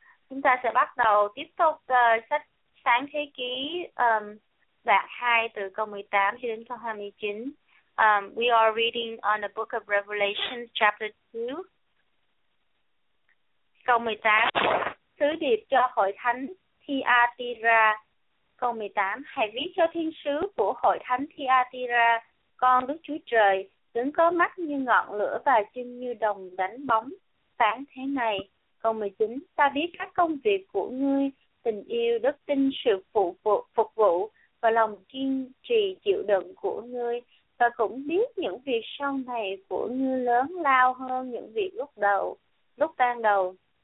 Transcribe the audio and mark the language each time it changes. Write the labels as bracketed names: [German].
[Vietnamese] Chúng ta sẽ bắt đầu tiếp tục sách Sáng Thế Ký đoạn 2 từ câu 18 cho đến câu 29. [English] We are reading on the book of Revelation chapter 2. [Vietnamese] Câu 18. sứ điệp cho hội thánh Thyatira. Câu 18, hãy viết cho thiên sứ của hội thánh Thyatira, con Đức Chúa Trời, đứng có mắt như ngọn lửa và chân như đồng đánh bóng, phán thế này. Câu 19, ta biết các công việc của ngươi, tình yêu, đức tin, sự phục vụ và lòng kiên trì chịu đựng của ngươi, và cũng biết những việc sau này của ngươi lớn lao hơn những việc lúc ban đầu.